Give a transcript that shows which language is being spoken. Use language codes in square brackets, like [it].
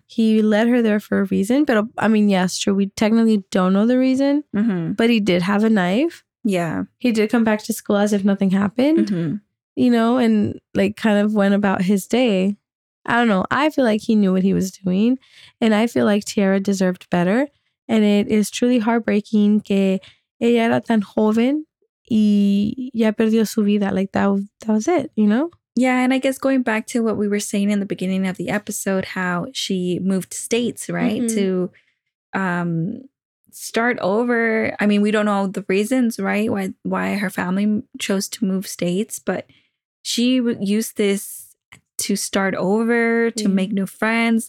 [en] he led her there for a reason. But, I mean, yes, true. We technically don't know the reason. Mm-hmm. But he did have a knife. Yeah. He did come back to school as if nothing happened, mm-hmm. you know, and, like, kind of went about his day. I don't know. I feel like he knew what he was doing. And I feel like Tierra deserved better. And it is truly heartbreaking que... [es] Ella era tan joven y ya perdió su vida. [en] Like, that was it, you know? Yeah, and I guess going back to what we were saying in the beginning of the episode, how she moved states, right, mm-hmm. to start over. I mean, we don't know the reasons, right? Why her family chose to move states, but she used this to start over, to mm-hmm. make new friends.